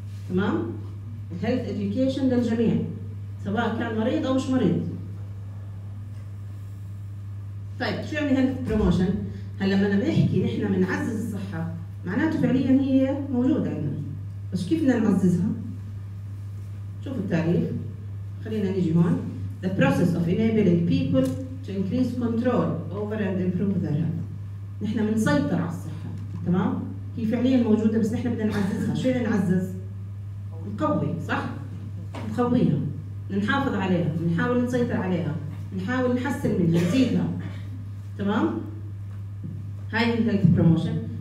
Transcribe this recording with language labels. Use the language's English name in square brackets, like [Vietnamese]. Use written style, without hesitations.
[Arabic] تمام؟ health education للجميع سواء كان مريض أو مش مريض. طيب شو يعني health promotion؟ هلا لما نحكي نحن بنعزز الصحة، معناته فعليا هي موجودة عندنا، بس كيف بدنا نعززها؟ شوفوا التعريف، خلينا نيجي هون. [English] The process of enabling people to increase control over and improve their health. [Arabic] نحن منسيطر على الصحة، تمام؟ هي فعلياً موجودة بس نحن بدنا نعززها. شو نعزز؟ نقوي، صح؟ نقويها، نحافظ عليها، نحاول نسيطر عليها، نحاول نحسن منها، نزيدها، تمام؟ هاي هي health promotion.